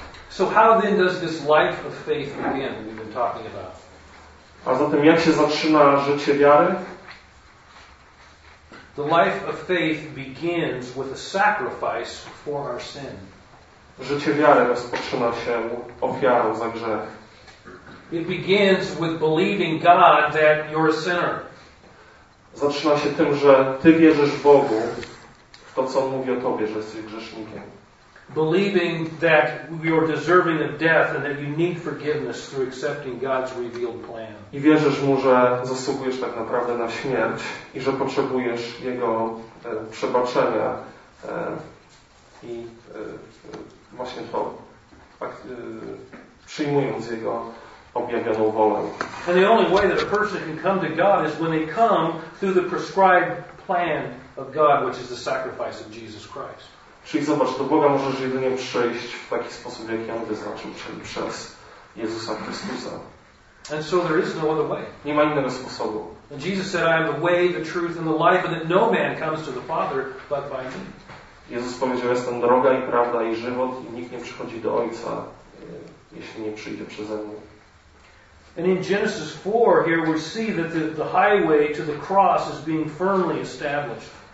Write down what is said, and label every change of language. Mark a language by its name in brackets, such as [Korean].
[English] So how then does this life of faith begin we've been talking about? [Polish] A zatem jak się zaczyna życie wiary? [English] The life of faith begins with a sacrifice for our sin. [Polish] Życie wiary rozpoczyna się ofiarą za grzech. [English] It begins with believing God that you're a sinner. [Polish] Zaczyna się tym, że ty wierzysz Bogu w to, co On mówi o tobie, że jesteś grzesznikiem. [English] Believing that you're deserving of death and that you need forgiveness through accepting God's revealed plan. [Polish] I wierzysz mu, że zasługujesz tak naprawdę na śmierć i że potrzebujesz jego przebaczenia i właśnie to przyjmując jego objawioną wolę. [English] And the only way that a person can come to God is when they come through the prescribed plan of God, which is the sacrifice of Jesus Christ. [Polish] Czyli zobacz, do Boga możesz jedynie przejść w taki sposób, jak ja wyznaczył, czyli przez Jezusa Chrystusa. [English] And so there is no other way. [Polish] Nie ma innego sposobu. [English] And Jesus said, I am the way, the truth and the life, and that no man comes to the Father but by me. [Polish] Jezus powiedział, jestem droga i prawda i żywot i nikt nie przychodzi do Ojca, jeśli nie przyjdzie przeze mnie. [English] And in Genesis 4 here we see that the highway to the cross is being firmly established.